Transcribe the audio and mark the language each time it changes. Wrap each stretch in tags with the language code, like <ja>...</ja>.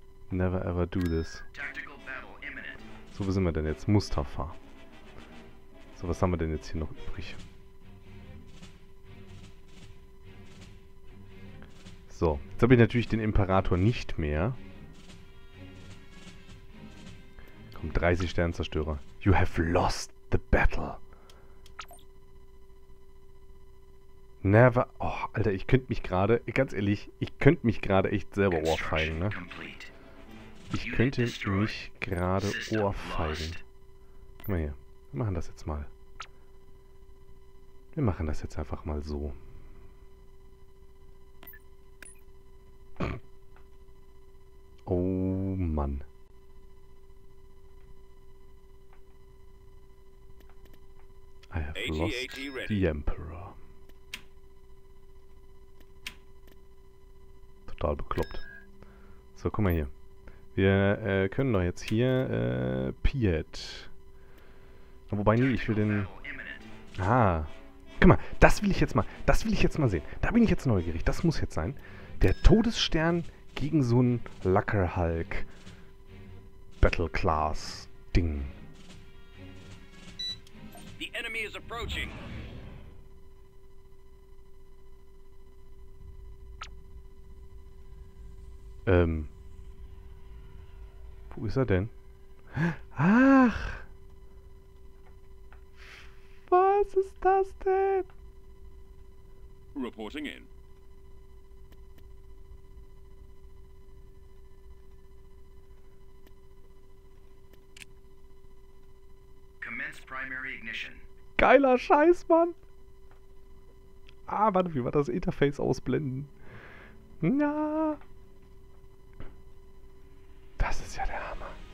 <en>Never ever do this.</en> <de>So, wo sind wir denn jetzt? Mustafa. So, was haben wir denn jetzt hier noch übrig? So, jetzt habe ich natürlich den Imperator nicht mehr. Komm, 30 Sternzerstörer.</de> <en>You have lost the battle. Never.</en> <de>Oh, Alter, ich könnte mich gerade. Ganz ehrlich, ich könnte mich gerade echt selber ohrfeigen, ne? Ich könnte mich gerade ohrfeigen. Guck mal hier. Wir machen das jetzt mal. Wir machen das jetzt einfach mal so. Oh Mann.</de> <en>I have lost the Emperor.</en> <de>Total bekloppt. So, guck mal hier. Wir können doch jetzt hier Piet. Wobei, nee, ich will den... Ah. Guck mal, das will ich jetzt mal sehen. Da bin ich jetzt neugierig. Das muss jetzt sein. Der Todesstern gegen so ein Lacker-Hulk Battle-Class-Ding.</de> <en>The enemy is approaching.</en> <de>Wo ist er denn? Ach! Was ist das denn?</de> <en>Reporting in. Commence primary ignition.</en> <de>Geiler Scheiß, Mann! Ah, warte, wie war das Interface ausblenden? Na! Das ist ja der Hammer.</de>